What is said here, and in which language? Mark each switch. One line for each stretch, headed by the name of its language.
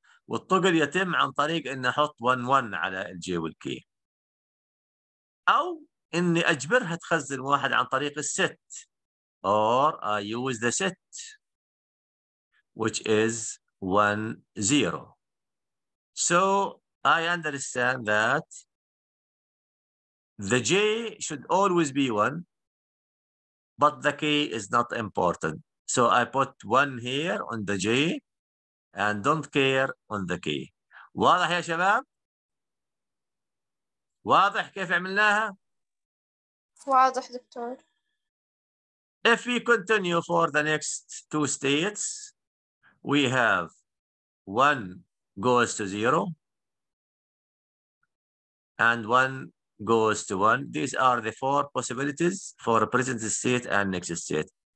Arabic: والطقل يتم عن طريق أن أحط 1-1 على الجي والكي، أو أني أجبرها تخزن واحد عن طريق الست،
English: or I use the set which is 1-0. So I understand that the J should always be 1, but the K is not important. So I put 1 here on the J and don't care on the K.
Arabic: واضح يا شباب؟ واضح كيف عملناها؟ واضح دكتور.
English: If we continue for the next two states, we have 1 goes to 0 and 1 goes to 1. These are the four possibilities for present state and next state.